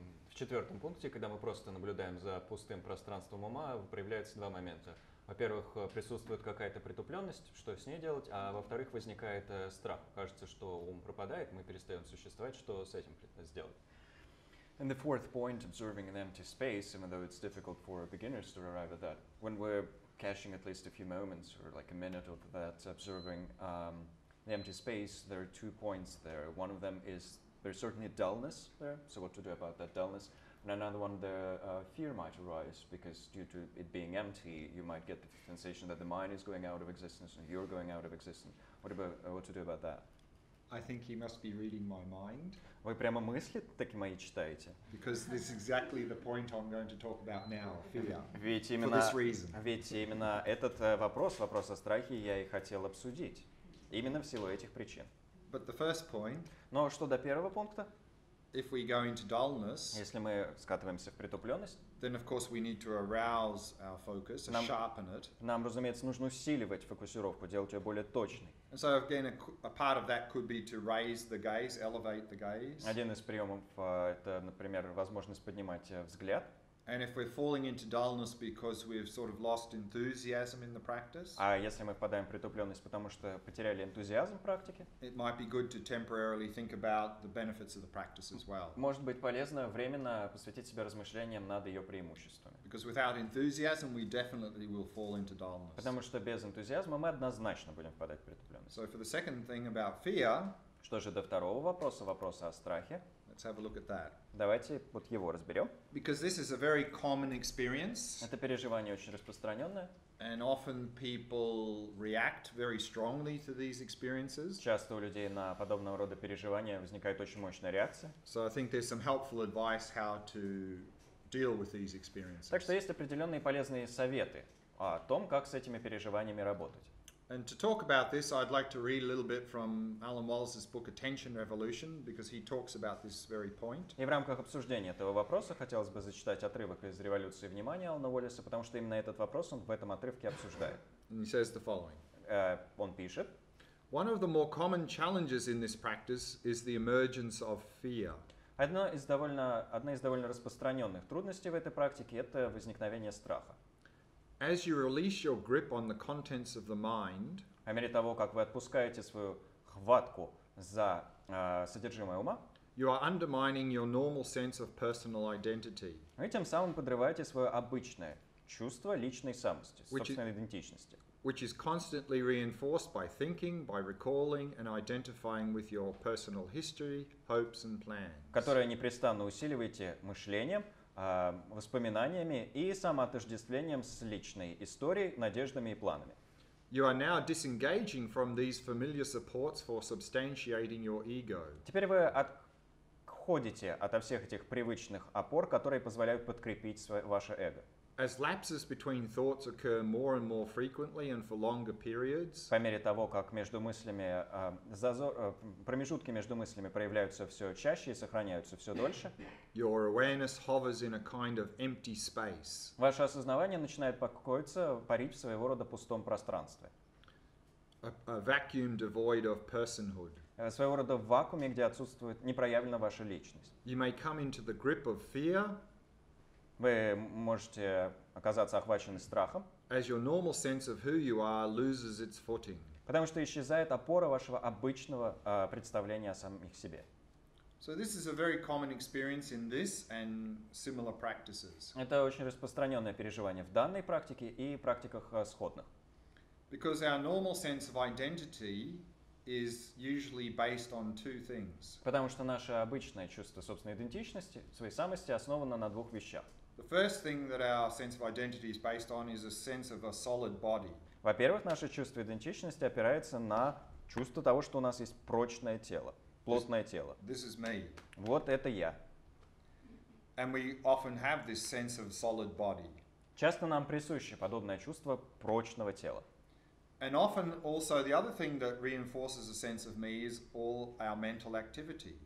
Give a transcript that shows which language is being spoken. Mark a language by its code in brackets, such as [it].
[ru] В четвертом пункте, когда мы просто наблюдаем за пустым пространством ума, проявляются два момента. Во-первых, присутствует какая-то притупленность, что с ней делать, а во-вторых, возникает страх. Кажется, что ум пропадает, мы перестаем существовать, что с этим сделать? [en] And the fourth point, observing an empty space, even though it's difficult for beginners to arrive at that, when we're catching at least a few moments or like a minute of that, observing the empty space, there are two points there. One of them is there's certainly a dullness there, so what to do about that dullness. And another one, the fear might arise, because due to it being empty, you might get the sensation that the mind is going out of existence and you're going out of existence. What to do about that? I think he must be reading my mind. [ru] Вы прямо мысли такие мои читаете? [en] Because this is exactly the point I'm going to talk about now, fear, [ru] ведь именно, [en] for this reason. [ru] Ведь именно этот вопрос о страхе, я и хотел обсудить. Именно в силу этих причин. [en] But the first point. [ru] Но что до первого пункта? [en] If we go into dullness, [ru] если мы скатываемся в притупленность, [en] then of course we need to arouse our focus, to sharpen it. [ru] Нам, разумеется, нужно усиливать фокусировку, делать ее более точной. [en] And so again, a part of that could be to raise the gaze, elevate the gaze. [ru] Один из приемов это, например, возможность поднимать взгляд. [en] And if we're falling into dullness because we've sort of lost enthusiasm in the practice, [ru] а если мы впадаем в притупленность, потому что потеряли энтузиазм в практике, [en] it might be good to temporarily think about the benefits of the practice as well. [ru] Может быть полезно временно посвятить себя размышлениям над ее преимуществами. [en] Because without enthusiasm, we definitely will fall into dullness. [ru] Потому что без энтузиазма мы однозначно будем впадать в притупленность. [en] So for the second thing about fear, [ru] что же до второго вопроса о страхе? [en] Let's have a look at that. [ru] Давайте вот его разберем. [en] Because this is a very common experience. [ru] Это переживание очень распространенное. [en] And often people react very strongly to these experiences. [ru] Часто у людей на подобного рода переживания возникает очень мощная реакция. [en] So I think there's some helpful advice how to deal with these experiences. [ru] Так что есть определенные полезные советы о том, как с этими переживаниями работать. [en] And to talk about this, I'd like to read a little bit from Alan Wallace's book Attention Revolution, because he talks about this very point. [ru] И в рамках обсуждения этого вопроса хотелось бы зачитать отрывок из «Революции внимания» Алана Уоллеса, потому что именно этот вопрос он в этом отрывке обсуждает. [en] And he says the following. [ru] Он пишет. [en] One of the more common challenges in this practice is the emergence of fear. [ru] Одна из довольно распространенных трудностей в этой практике – это возникновение страха. [en] As you release your grip on the contents of the mind, [ru] по мере того, как вы отпускаете свою хватку за содержимое ума, [en] you are undermining your normal sense of personal identity. [ru] Вы тем самым подрываете свое обычное чувство личной самости, собственной идентичности. [en] Which is constantly reinforced by thinking, by recalling and identifying with your personal history, hopes and plans. [ru] Которое непрестанно усиливаете мышлением, воспоминаниями и самоотождествлением с личной историей, надеждами и планами. [en] You are now disengaging from these familiar supports for substantiating your ego. [ru] Теперь вы отходите от всех этих привычных опор, которые позволяют подкрепить ваше эго. [en] As lapses between thoughts occur more and more frequently and for longer periods. [ru] По мере того, как между мыслями промежутки между мыслями проявляются все чаще и сохраняются все дольше. [en] Your awareness hovers in a kind of empty space. [ru] Ваше осознавание начинает парить в своего рода пустом пространстве. [en] A vacuum devoid of personhood. [ru] Своего рода в вакууме, где отсутствует непроявлена ваша личность. [en] You may come into the grip of fear. [ru] Вы можете оказаться охвачены страхом. [en] As your normal sense of who you are loses its footing. [ru] Потому что исчезает опора вашего обычного представления о самих себе. [en] So this is a very common experience in this and similar practices. [ru] Это очень распространенное переживание в данной практике и практиках сходных. [en] Because our normal sense of identity is usually based on two things. [ru] Потому что наше обычное чувство собственной идентичности, своей самости, основано на двух вещах. [en] The first thing that our sense of identity is based on is a sense of a solid body. [ru] Во-первых, наше чувство идентичности опирается на чувство того, что у нас есть прочное тело, плотное тело. [en] This is me. [ru] Вот это я. [en] And we often have this sense of solid body. [ru] Часто нам присуще подобное чувство прочного тела. [en] And often also the other thing that reinforces a sense of me is all our mental activity.